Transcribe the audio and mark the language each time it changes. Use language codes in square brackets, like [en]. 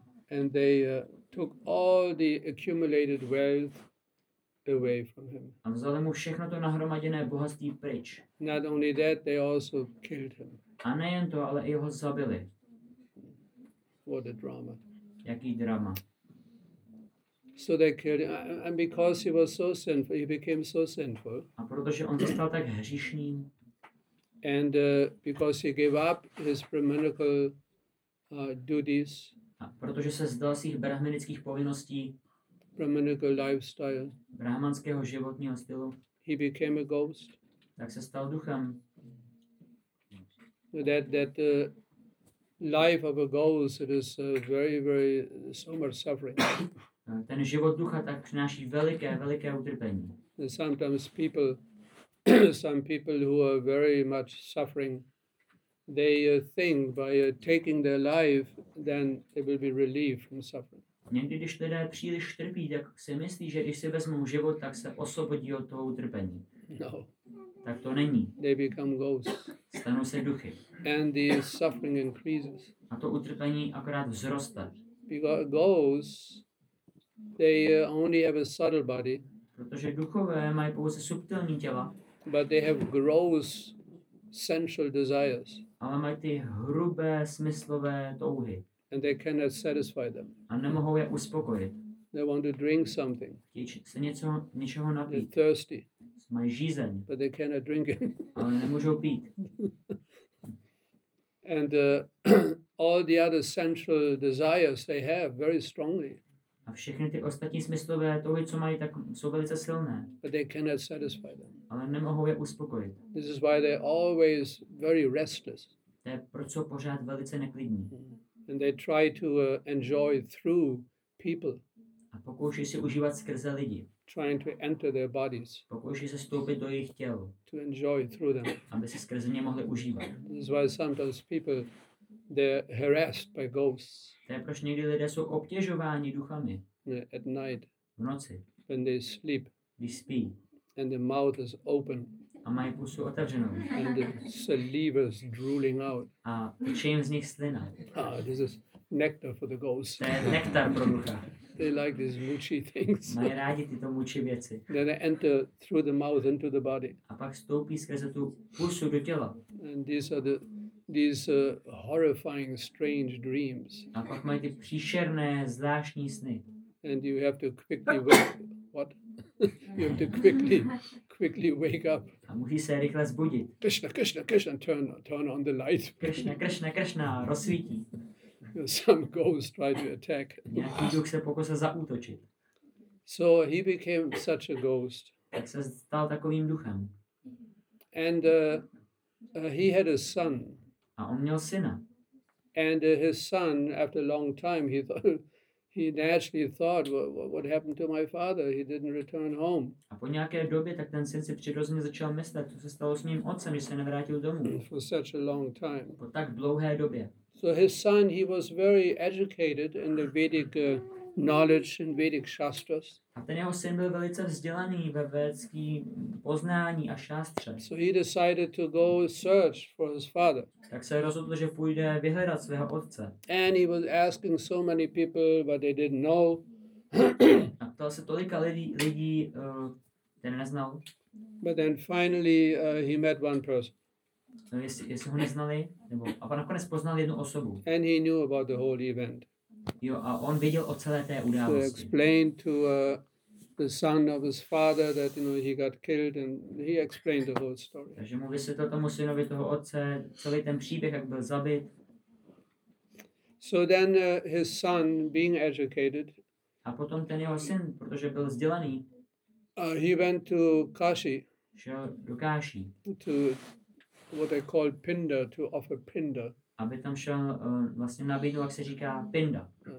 [en] And they took all the accumulated wealth away from him. [cs] A vzali mu všechno to nahromaděné bohatství pryč. [en] Not only that, they also killed him. [cs] A nejen to, ale i ho zabili. [en] What a drama. [cs] Jaký drama. [en] So they killed him. And because he was so sinful, he became so sinful. [cs] A protože on zůstal tak hříšným. [en] And because he gave up his brahminical duties. [cs] A protože se vzdal svých brahminických povinností. [en] Brahminical lifestyle. [cs] Brahmanského životního stylu. [en] He became a ghost. [cs] Tak se stal duchem. [en] That life of a ghost, it is very, very so much suffering. [cs] Ten život ducha tak přináší veliké, veliké utrpení. [en] And sometimes people, some people who are very much suffering, they think by taking their life, then they will be relieved from suffering. [cs] Někdy, když lidé příliš trpí, tak si myslí, že když si vezmou život, tak se osvobodí od toho utrpení. [en] No. [cs] Tak to není. [en] They become ghosts. [cs] Stanou se duchy. [en] And the suffering increases. [cs] A to utrpení akorát vzroste. [en] Because ghosts, they only have a subtle body. [cs] Protože duchové mají pouze subtilní těla. [en] But they have gross sensual desires. [cs] Ale mají ty hrubé smyslové touhy. [en] And they cannot satisfy them. [cs] A nemohou je uspokojit. [en] They want to drink something. [cs] Chce něco, něčeho napít. [en] They're thirsty. [cs] Mají žízeň. [en] But they cannot drink it. [cs] Ale nemůžou pít. [en] And all the other sensual desires they have very strongly. [cs] A všechny ty ostatní smyslové touhy, co mají, tak jsou velice silné. [en] But they cannot satisfy them. [cs] Ale nemohou je uspokojit. [en] This is why they're always very restless. [cs] To je proč jsou pořád velice neklidní. [en] And they try to enjoy through people. [cs] A pokouší si užívat skrze lidi. [en] Trying to enter their bodies. [cs] Pokouší se vstoupit do jejich těl. [en] To enjoy through them. [cs] Aby si skrze ně mohli užívat. [en] This is why sometimes people, they're harassed by ghosts. [cs] To je proč někdy lidé jsou obtěžováni duchami. [en] At night. [cs] V noci. [en] When they sleep. [cs] Když spí. [en] And the mouth is open. [cs] A mají pusu otevřenou. [en] And the saliva is drooling out. [cs] A čím z nich slina. [en] Ah, this is nectar for the ghosts. [cs] To je nektar pro ducha. [en] They like these mucci things. [cs] Mají rádi tyto mucci věci. [en] Then they enter through the mouth into the body. [cs] A pak vstoupí skrze tu pusu do těla. [en] And these are these horrifying, strange dreams. [cs] A pak mají ty příšerné, zvláštní sny. [en] And you have to quickly wake. What? You have to quickly wake up. [cs] A musí se rychle zbudit. [en] Krishna, Krishna, Krishna, turn on the light. [cs] Krishna, Krishna, Krishna, rozsvítí. [en] Some ghosts try to attack. [cs] Nějaký duch se pokusil zaútočit. [en] So he became such a ghost. [cs] Tak se stal takovým duchem. [en] And he had a son. [cs] A on měl syna. [en] And his son, after a long time, he naturally thought, what happened to my father? He didn't return home. [cs] A po nějaké době tak ten syn si přirozeně začal myslet, co se stalo s mým otcem, že se nevrátil domů. [en] For such a long time. [cs] Po tak dlouhé době. [en] So his son, he was very educated in the Vedic knowledge and Vedic shastras. [cs] A ten jeho syn byl velice vzdělaný ve vědecký poznání a šastře. [en] So he decided to go search for his father. [cs] Tak se rozhodl, že půjde vyhledat svého otce. [en] And he was asking so many people, but they didn't know. [cs] A ptal se tolika lidí, které neznal. [en] But then finally he met one person. [cs] No, jestli ho neznali, nebo a pak nakonec poznal jednu osobu. [en] And he knew about the whole event. [cs] Jo, a on věděl o celé té události. [en] So explained to the son of his father that you know he got killed and he explained the whole story. [cs] Takže mu vysvětlil tomu synovi toho otce celý ten příběh, jak byl zabit. [en] So then his son, being educated. [cs] A potom ten jeho syn, protože byl vzdělaný. [en] He went to Kashi. [cs] Šel do Kashi. [en] To what they call pinda, to offer pinda. [cs] Aby tam šel vlastně nabídnu, jak se říká, pinda.